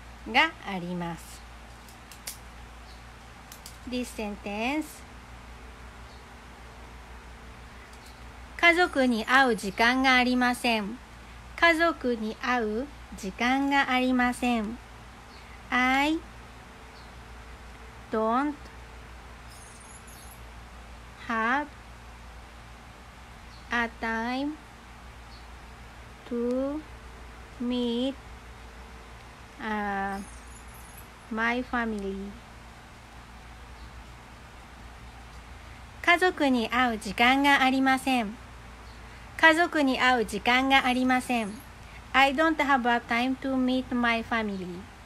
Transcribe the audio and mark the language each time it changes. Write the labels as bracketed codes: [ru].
[ja] があります。 [en] This sentence. [ja] 家族に会う時間がありません。家族に会う時間がありません。 [en] I don't haveA time to meet my family. [ja] 家族に会う時間がありません。家族に会う時間がありません。 [en] I don't have a time to meet my family.